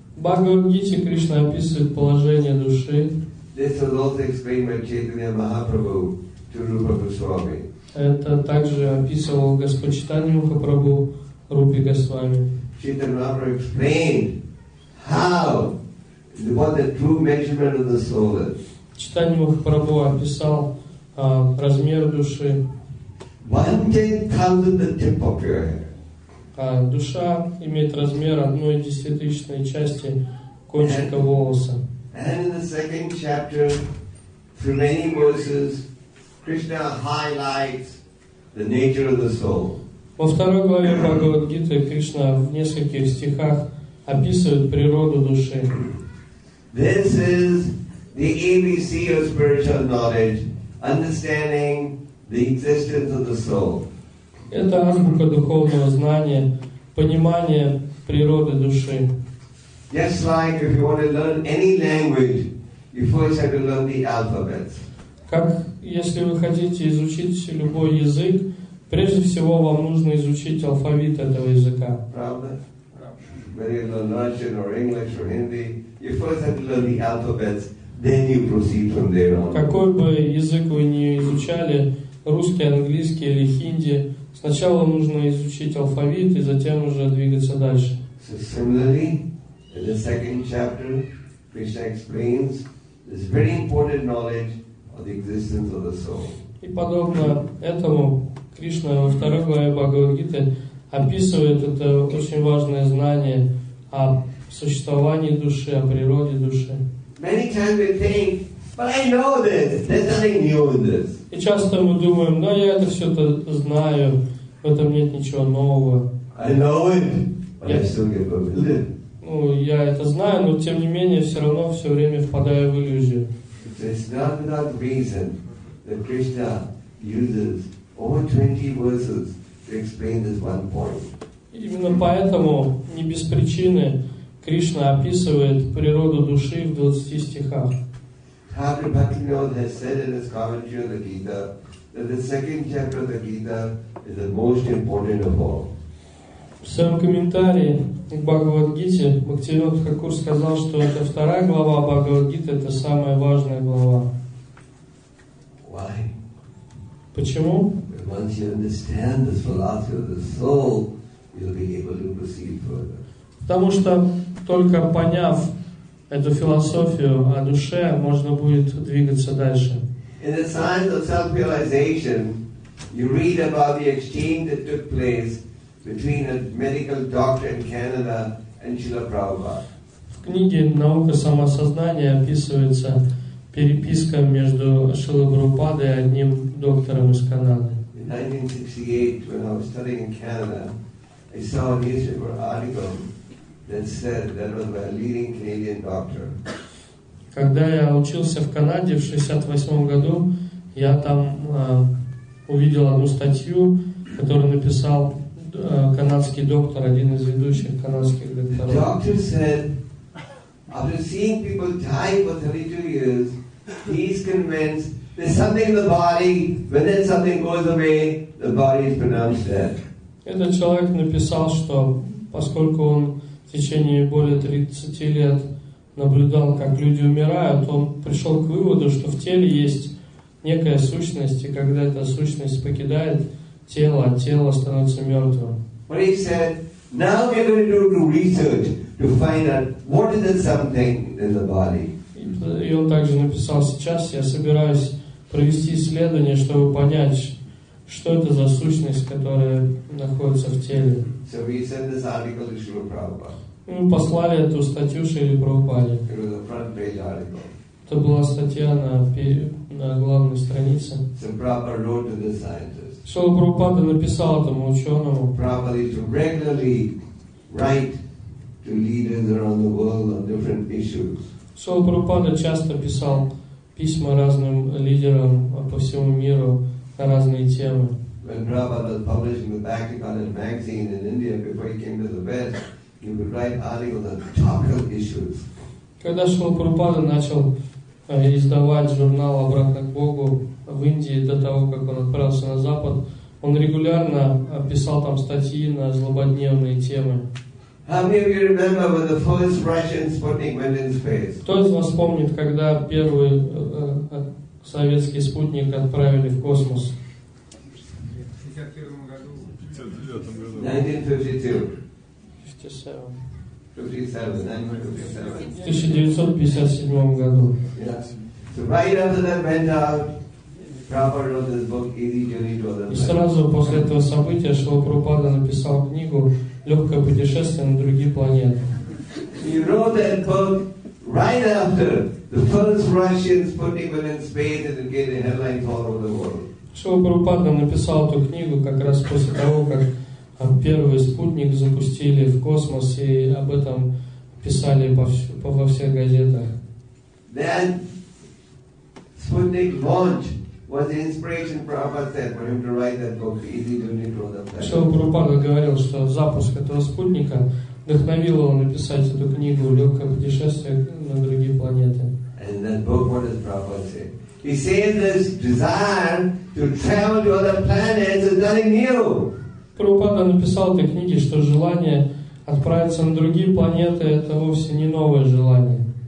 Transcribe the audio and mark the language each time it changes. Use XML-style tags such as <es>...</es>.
<ru>Бхагавад-гите Кришна описывает положение души.</ru> <en>This is also explained by Chaitanya Mahaprabhu to Rupa Goswami.</en> <ru>Это также описывал Господь Чайтанья Махапрабху Рупе Госвами.</ru> <en>Chaitanya Mahaprabhu explained how what the true measurement of the soul is.</en> <ru>Чайтанья Махапрабху описал размер души.</ru> <en>1/10,000 the tip of your head.</en> <ru>Душа имеет размер 1/10 части кончика волоса.</ru> <en>And in the second chapter, through many verses, Krishna highlights the nature of the soul.</en> <ru>Во второй главе Бхагавад-гиты Кришна в нескольких стихах описывает природу души.</ru> <en>This is the ABC of spiritual knowledge, understanding the existence of the soul.</en> <ru>Это азбука духовного знания, понимание природы души.</ru> <en>Just like if you want to learn any language, you first have to learn the alphabet.</en> <ru>Как если вы хотите изучить любой язык, прежде всего вам нужно изучить алфавит этого языка. Правда?</ru> <en>Whether you learn Russian or English or Hindi, you first have to learn the alphabet, then you proceed from there on.</en> <ru>Какой бы язык вы ни изучали, русский, английский или хинди, сначала нужно изучить алфавит и затем уже двигаться дальше.</ru> <en>So similarly, in the second chapter, Krishna explains this very important knowledge of the existence of the soul.</en> <ru>И подобно этому, Кришна во второй главе Бхагавад-гиты описывает это очень важное знание о существовании души, о природе души.</ru> <en>Many times we think But I know this. There's nothing new in this.</en> <ru>И часто мы думаем, да, я это все-то знаю, в этом нет ничего нового.</ru> <en>I know it, but I still get bewildered.</en> <ru>Ну, я это знаю, но тем не менее все равно все время впадаю в иллюзию.</ru> <en>It's not without reason that Krishna uses over 20 verses to explain this one point.</en> <ru>Именно поэтому не без причины Кришна описывает природу души в 20 стихах.</ru> <en>Thakur Bhaktivinod has said in his commentary on the Gita that the second chapter of the Gita is the most important of all.</en> <ru>В своем комментарии к Бхагавад-гите Бхактивинод Хакур сказал, что это вторая глава Бхагавад-гиты, это самая важная глава.</ru> <en>Why?</en> <ru>Почему?</ru> <en>Once you understand this philosophy of the soul, you'll be able to proceed further.</en> <ru>Потому что только поняв эту философию о душе, можно будет двигаться дальше.</ru> <en>In the science of self-realization, you read about the exchange that took place between a medical doctor in Canada and Srila Prabhupada.</en> <ru>В книге «Наука самосознания» описывается переписка между Шрилой Прабхупадой и одним доктором из Канады.</ru> <en>In 1968, when I was studying in Canada, I saw a newspaper article that said that was by a leading Canadian doctor.</en> <ru>Когда я учился в Канаде в 68 году, я там увидел одну статью, которую написал канадский доктор, один из ведущих канадских докторов.</ru> <en>The doctor said, after seeing people die for 32 years, he's convinced there's something in the body. When then something goes away, the body is pronounced dead.</en> <ru>Этот человек написал, что поскольку он в течение более 30 лет наблюдал, как люди умирают, он пришел к выводу, что в теле есть некая сущность, и когда эта сущность покидает тело, тело становится мертвым.</ru> <en>But he said, now we're going to do research to find out what is that something in the body.</en> <ru>И он также написал, сейчас я собираюсь провести исследование, чтобы понять, что это за сущность, которая находится в теле.</ru> <en>So we sent this article to Srila Prabhupada.</en> <ru>Мы послали эту статью Шриле Прабхупаде.</ru> <en>It was a front page article.</en> <ru>Это была статья на главной странице.</ru> <en>So Prabhupada wrote to the scientist.</en> <ru>Шрила Прабхупада написал этому ученому.</ru> <en>Prabhupada used to regularly write to leaders around the world on different issues.</en> <ru>Шрила Прабхупада часто писал письма разным лидерам по всему миру на разные темы.</ru> <en>When Prabhupada was publishing the Bhaktivinoda magazine in India before he came to the West, he would write articles on topical issues.</en> <ru>Когда Шрила Прабхупада начал издавать журнал «Обратно к Богу» в Индии до того, как он отправился на Запад, он регулярно писал там статьи на злободневные темы.</ru> <en>How many of you remember when the first Russian Sputnik went in space?</en> <ru>Кто из вас помнит, когда первый советский спутник отправили в космос? В 1957 году.</ru> <en>Yeah. So right after that went out, Prabhupada wrote this book, Easy Journey to Other Planets.</en> <ru>И сразу после этого события Шрила Прабхупада написал книгу «Легкое путешествие на другие планеты».</ru> <en>He wrote that book right after the first Russian Sputnik went in space and gained the headlines all over the world.</en> <ru>Шрила Прабхупада написал эту книгу как раз после того, как первый спутник запустили в космос, и об этом писали во всех газетах.</ru> <en>Then Sputnik launch was the inspiration Prabhupada said for him to write that book, Easy Journey to Other Planets.</en> <ru>Шрила Прабхупада говорил, что запуск этого спутника вдохновил его написать эту книгу «Легкое путешествие на другие планеты».</ru> <en>And that book, what does Prabhupada say? He says this desire to travel to other planets is nothing new.</en> <ru>Прабхупада написал в этой книге, что желание отправиться на другие планеты – это вовсе не новое желание.</ru>